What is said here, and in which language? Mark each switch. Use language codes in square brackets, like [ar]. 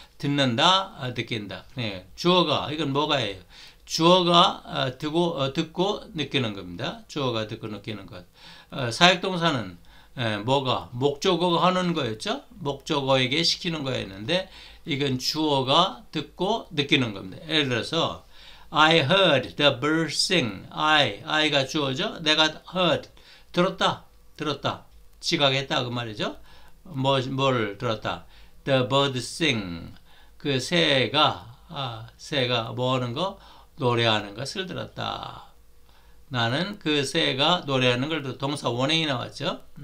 [ko] 듣는다, 느낀다. 네. 주어가 이건 뭐가예요? 주어가 듣고 느끼는 겁니다. 주어가 듣고 느끼는 것. 사역동사는 뭐가? 목적어가 하는 거였죠. 목적어에게 시키는 거였는데 이건 주어가 듣고 느끼는 겁니다. 예를 들어서 [en] I heard the bird sing. [ko] I가 주어죠. 내가 heard 들었다, 들었다. 지각했다 그 말이죠. 뭘 들었다? [en] The bird sing. [ko] 그 새가 뭐 하는 거? 노래하는 것을 들었다. 나는 그 새가 노래하는 걸 들었다. 동사 원형이 나왔죠?